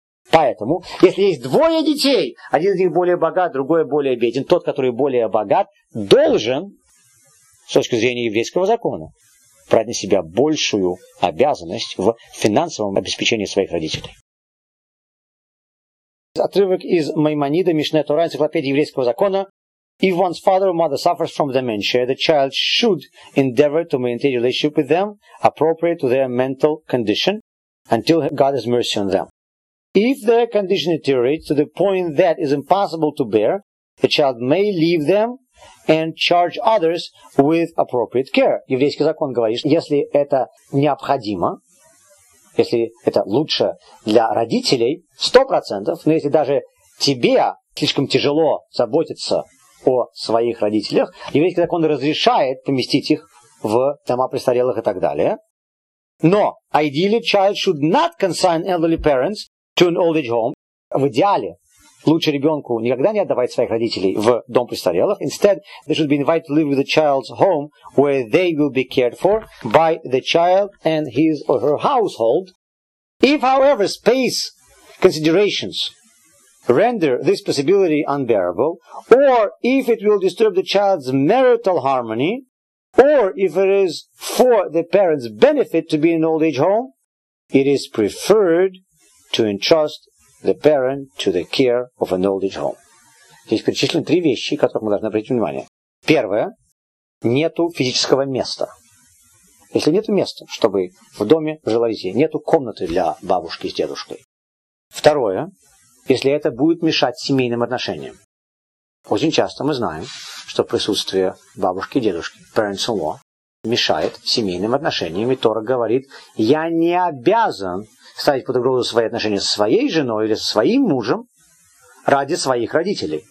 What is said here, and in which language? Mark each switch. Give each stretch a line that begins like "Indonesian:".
Russian: Поэтому, если есть двое детей, один из них более богат, другой более беден, тот, который более богат, должен с точки зрения еврейского закона, брать на себя большую обязанность в финансовом обеспечении своих родителей. Отрывок из Маймонида, Мишне Тора, энциклопедии еврейского закона.
English: If one's father or mother suffers from dementia, the child should endeavor to maintain a relationship with them appropriate to their mental condition until God has mercy on them. If their condition deteriorates to the point that is impossible to bear, the child may leave them and charge others with appropriate care.
Russian: Еврейский закон говорит, если это необходимо, если это лучше для родителей, 100%, но если даже тебе слишком тяжело заботиться о своих родителях, еврейский закон разрешает поместить их в дома престарелых и так далее.
English: Но ideally child should not consign elderly parents to an old age home.
Russian: В идеале лучше ребенку никогда не отдавать своих родителей в дом престарелых.
English: Instead, they should be invited to live with the child's home where they will be cared for by the child and his or her household. If, however, space considerations render this possibility unbearable, or if it will disturb the child's marital harmony, or if it is for the parents' benefit to be in an old age home, it is preferred to entrust the parent to the care of an old age home.
Russian: Здесь перечислены три вещи, которых мы должны обратить внимание. Первое. Нету физического места. Если нету места, чтобы в доме жила детей, нету комнаты для бабушки с дедушкой. Второе. Если это будет мешать семейным отношениям. Очень часто мы знаем, что присутствие бабушки и дедушки,
English: parents-in-law,
Russian: мешает семейным отношениям. И Тора говорит, я не обязан ставить под угрозу свои отношения со своей женой или со своим мужем ради своих родителей.